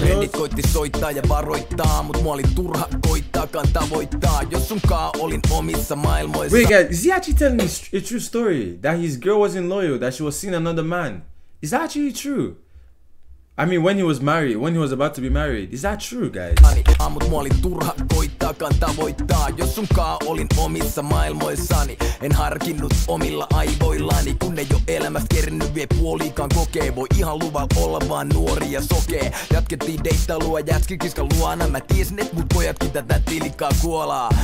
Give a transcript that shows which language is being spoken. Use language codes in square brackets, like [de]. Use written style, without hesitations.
[fi] Frendit koitti soittaa ja varoittaa, mut mua oli turha koittaakaan tavoittaa. Jos sunkaan olin omissa maailmoissa. [en] Wait guys, is he actually telling me a true story? That his girl wasn't loyal, that she was seeing another man. Is that actually true? I mean, when he was married, when he was about to be married, is that true, guys? [fi] Aamut mua oli turha koittaakaan tavoittaa. Jos sunkaan olin omissa maailmoissani, en harkinnut omilla aivoillani. Kun ei oo elämästä kerennyt vie puoliikaan kokee. Voi ihan luvalla olla vaan nuori ja sokee. Jatkettiin deittailua jätskikiskan luona. Mä tiesin, et mut pojatkin tätä tilikkaa kuolaa.